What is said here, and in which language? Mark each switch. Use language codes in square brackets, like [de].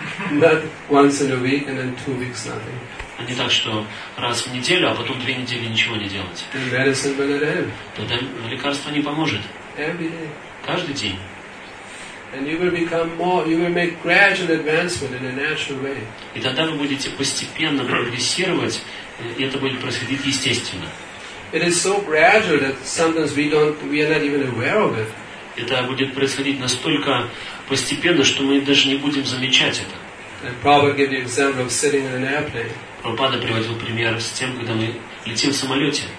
[en] Not once in a week and then 2 weeks nothing. [ru] А не так, что раз в неделю, а потом 2 недели ничего не делать. [en] Then medicine will not help. [ru] Тогда лекарство не поможет. [en] Every day. [ru] Каждый день. [en] And you will become more. You will make gradual advancement in a natural way. [ru] И тогда вы будете постепенно прогрессировать, и это будет происходить естественно. [en] It is so gradual that sometimes we are not even aware of it. [ru] Это будет происходить настолько постепенно, что мы даже не будем замечать это. [en] And Prabhupada gave the example of sitting in an airplane. [ru] Прабхупада приводил пример с тем, когда мы летим в самолете.